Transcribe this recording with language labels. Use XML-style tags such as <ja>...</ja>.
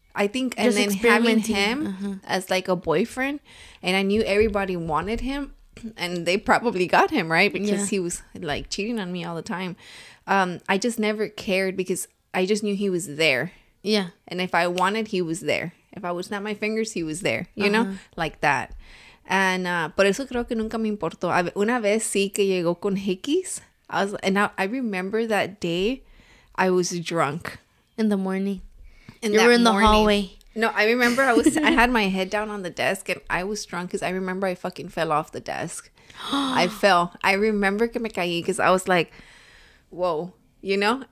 <en>I think, just and then having him as like a boyfriend, and I knew everybody wanted him, and they probably got him, right? Because he was like cheating on me all the time. I just never cared because I just knew he was there. Yeah. And if I wanted, he was there. If I would snap my fingers, he was there, you know, like that.</en> <es>And por eso creo que nunca me importó. Una vez sí que llegó con hickeys.</es> <en>I remember that day I was drunk. In the morning. You were in the hallway. No, I remember I was. I had my head down on the desk and I was drunk because I remember I fucking fell off the desk. I fell. I remember</en> <es>que me caí</es> <en>because I was like, whoa. you know?</en>